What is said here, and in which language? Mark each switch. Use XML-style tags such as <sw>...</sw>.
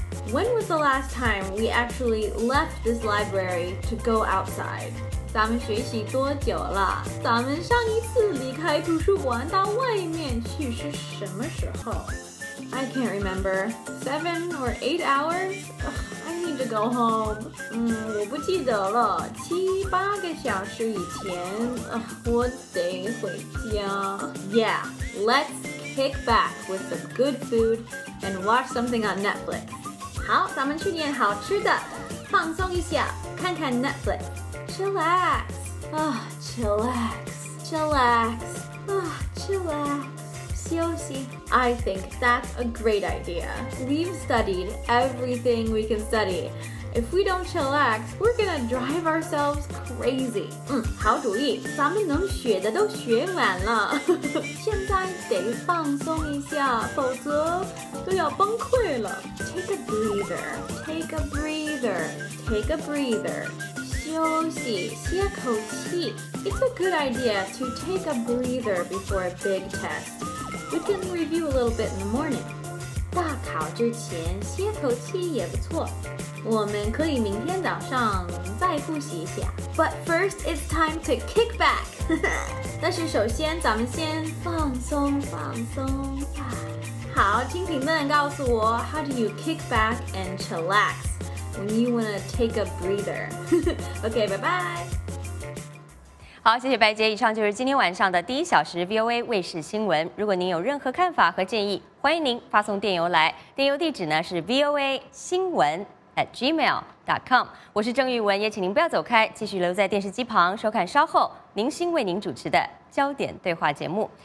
<en>When was the last time we actually left this library to go outside?</en> <zh>咱们学习多久了？咱们上一次离开图书馆到外面去是什么时候？</zh> <en>I can't remember. 7 or 8 hours? Ugh, I need to go home.</en> <zh>我不记得了。7-8个小时以前，我得回家。</zh> <en>Yeah, let's. Kick back with some good food and watch something on Netflix.</en> <zh>好，咱们去点好吃的，放松一下，看看 Netflix.</zh> <en>Chillax. Ah, chillax. Chillax. Ah, chillax.</en> <zh>休息。</zh> <en>I think that's a great idea. We've studied everything we can study. If we don't chillax, we're gonna drive ourselves crazy.</en> <zh>好主意，咱们能学的都学完了。现在得放松一下，否则都要崩溃了。</zh> <en>Take a breather, take a breather, take a breather.</en> <zh>休息，歇口气。</zh> <en>It's a good idea to take a breather before a big test. We can review a little bit in the morning.</en> <zh>大考之前歇口气也不错。我们可以明天早上再复习一下。</zh> <en>But first, it's time to kick back.</en> <zh>但是首先咱们先放松放松吧。好，听评论告诉我</zh> <en>,How do you kick back and chillax when you want to take a breather?</en> <zh>OK, 拜拜。好，谢谢白杰。以上就是今天晚上的第一小时 VOA 卫视新闻。如果您有任何看法和建议，欢迎您发送电邮来。电邮地址呢是 voa.gmail.com。我是郑玉文，也请您不要走开，继续留在电视机旁收看稍后明星为您主持的焦点对话节目。</zh>